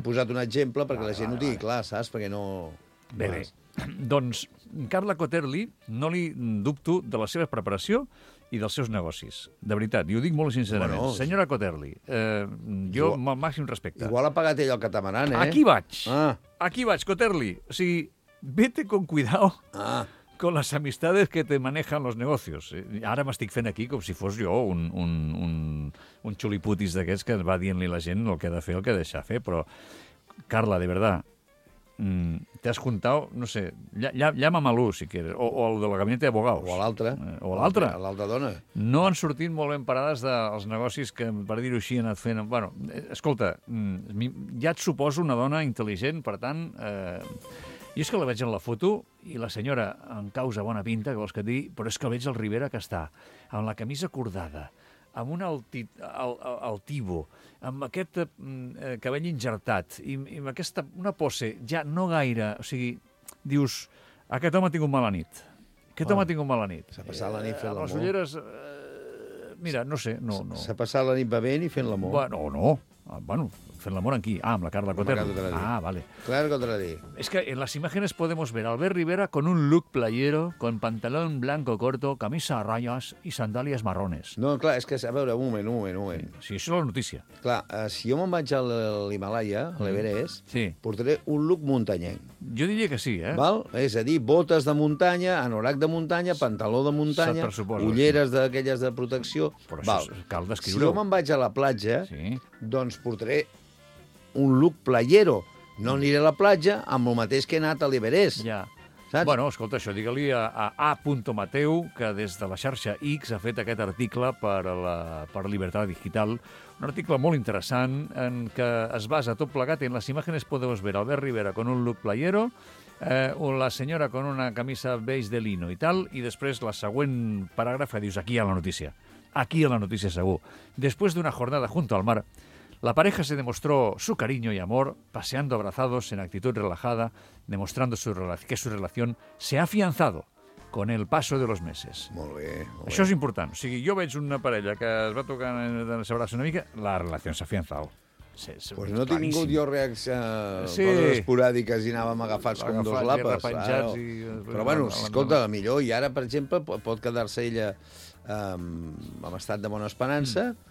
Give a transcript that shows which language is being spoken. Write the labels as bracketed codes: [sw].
[ca] He posat un exemple perquè la gent ho digui clar, saps? Perquè no... Bé, bé. Doncs Carla Cotterly, no li dubto de la seva preparació i dels seus negocis. De veritat, i ho dic molt sincerament. Bueno, senyora Cotterly, jo amb el màxim respecte. Igual ha pagat ell el catamaran, eh? Aquí vaig. Ah. Aquí vaig, Cotterly. O sigui, [es] vete con cuidado con las amistades que te manejan los negocios. [ca] Ara m'estic fent aquí com si fos jo un xuliputis d'aquests que va dient-li la gent el que ha de fer, el que ha de deixar fer, però Carla, de veritat, t'has comptat, no sé, llama'm a l'1, si queres, o el de la gabineta d'abogaus. O a l'altre. O a l'altre. A l'altra dona. No han sortit molt ben parades dels negocis que, per dir-ho així, han anat fent... Bueno, escolta, ja et suposo una dona intel·ligent, per tant... Jo és que la veig en la foto i la senyora en causa bona pinta, que vols que et digui, però és que veig el Rivera que està amb la camisa cordada, amb un altivo, amb aquest cabell injertat i amb aquesta, una pose ja no gaire, o sigui, dius, aquest home ha tingut mala nit. Aquest home ha tingut mala nit. S'ha passat la nit fent l'amor. Les ulleres, mira, no sé, no, no. S'ha passat la nit bevent i fent l'amor. Bueno, no. Bueno, fent l'amor en qui? Ah, amb la Carla Cotterly. Ah, vale. [es] Claro que te la digo. Es que en las imágenes podemos ver a Albert Rivera con un look playero, con pantalón blanco corto, camisa a rayas y sandalias marrones. No, claro, es que, a ver, un moment. Sí, eso es la noticia. Claro, si yo [ca] me'n vaig a l'Himalaya, a l'Everest, sí, portaré un look muntanyenc. Jo diria que sí, eh? Val? És a dir, botes de muntanya, anorac de muntanya, pantaló de muntanya, ulleres d'aquelles de protecció... Però val, això cal descriure. Si jo me'n vaig a la platja, sí, doncs portaré un look playero. No aniré a la platja amb el mateix que he anat a l'Iberès. Ja. Saps? Bueno, escolta, això, digue-li a A. Mateu, que des de la xarxa X ha fet aquest article per Libertat Digital. Un article molt interessant en què es basa tot plegat. En les imatges podeu veure Albert Rivera [es] con un look playero, [ca] o la senyora [es] con una camisa beige de lino [ca] i tal, i després la següent paràgrafa dius aquí a la notícia. Aquí a la notícia, segur. Després d'una [es] jornada junto al mar, la pareja se demostró su cariño y amor paseando abrazados en actitud relajada, demostrando que su relación se ha afianzado con el paso de los meses. [ca] Molt bé, molt bé. Això és important. O sigui, jo veig una parella que es va tocar en el seu braç una mica, la relació s'ha afianzado. Pues no he tingut jo reaccions sí, esporàdiques i anàvem agafats com dos lapes. Repenjats i... Però bueno, escolta, la millor. I ara, per exemple, pot quedar-se ella amb estat de bona esperança...